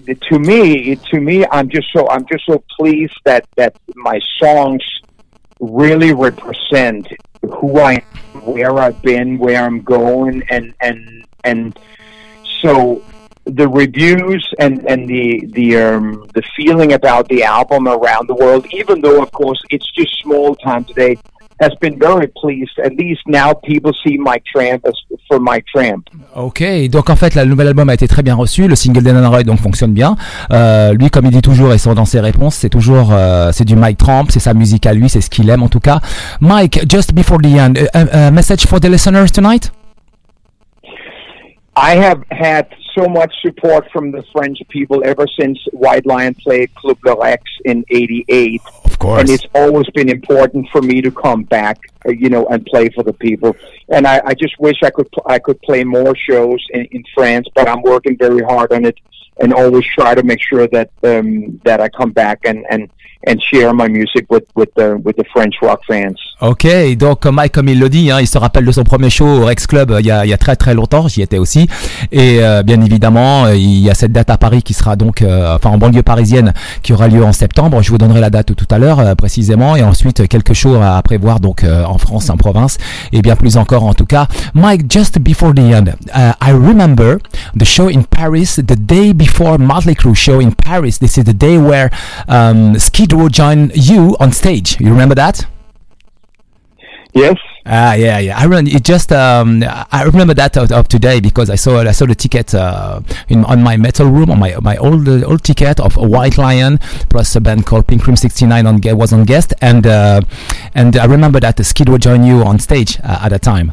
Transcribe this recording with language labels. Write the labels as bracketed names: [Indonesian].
[English] To me, I'm just so pleased that my songs really represent who I am, where I've been, where I'm going, and so the reviews and the feeling about the album around the world, even though of course it's just small time today, has been very pleased. At least now people see Mike Tramp as for Mike Tramp. [French] Okay, donc en fait, le nouvel album a été très bien reçu. Le single Dead End Ride donc fonctionne bien. Lui, comme il dit toujours et sans dans ses réponses, c'est toujours c'est du Mike Tramp, c'est sa musique à lui, c'est ce qu'il aime en tout cas. [English] Mike, just before the end, a message for the listeners tonight. I have had so much support from the French people ever since White Lion played Club Le Rex in 88. Of course. And it's always been important for me to come back, you know, and play for the people. And I just wish I could play more shows in France, but I'm working very hard on it and always try to make sure that I come back and share my music with the French rock fans. [French] Ok, donc Mike, comme il le dit, hein, il se rappelle de son premier show au Rex Club il y a très très longtemps, j'y étais aussi. Et bien évidemment, il y a cette date à Paris qui sera donc, en banlieue parisienne, qui aura lieu en septembre. Je vous donnerai la date tout à l'heure précisément. Et ensuite, quelques shows à prévoir donc en France, en province, et bien plus encore en tout cas. [English] Mike, just before the end, I remember the show in Paris, the day before Motley Crue show in Paris. This is the day where Skid Row joined you on stage. You remember that? Yes. Yeah. I remember that of today because I saw the ticket on my metal room, on my old ticket of White Lion plus a band called Pink Cream 69 was on guest, and I remember that the Skid Row joined you on stage at that time.